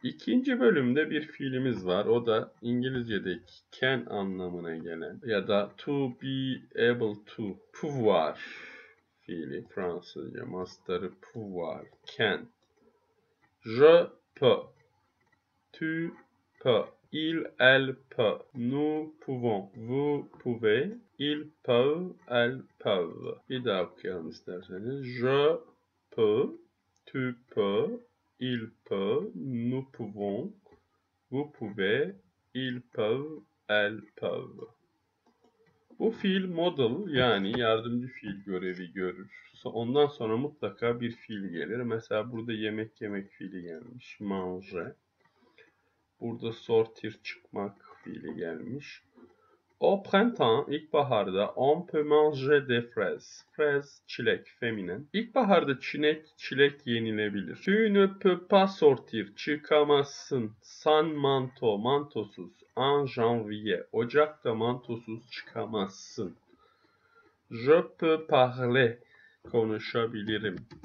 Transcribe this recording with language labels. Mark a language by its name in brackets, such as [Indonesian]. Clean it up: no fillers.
[Turkish] İkinci bölümde bir fiilimiz var. O da İngilizce'deki can anlamına gelen ya da [English] to be able to, [Turkish] pouvoir fiili. Fransızca mastarı pouvoir, can. [French] Je peux, tu peux, il, elle peut, nous pouvons, vous pouvez, ils peuvent, elles peuvent. [Turkish] Bir daha okuyalım isterseniz. [French] Je peux, tu peux. Il peut, nous pouvons, vous pouvez, ils peuvent, elles peuvent. [Turkish] Bu fiil model yani yardımcı fiil görevi görür. Ondan sonra mutlaka bir fiil gelir. Mesela burada yemek yemek fiili gelmiş. Manger. Burada sortir çıkmak fiili gelmiş. [French] Au printemps, ilkbaharda, on peut manger des fraises. [Turkish] Fraise, çilek, feminen. İlkbaharda çilek yenilebilir. [French] Tu ne peux pas sortir, [Turkish] çıkamazsın. [French] Sans manteau, [Turkish] mantosuz. [French] En janvier, [Turkish] ocakta mantosuz çıkamazsın. [French] Je peux parler, konuşabilirim.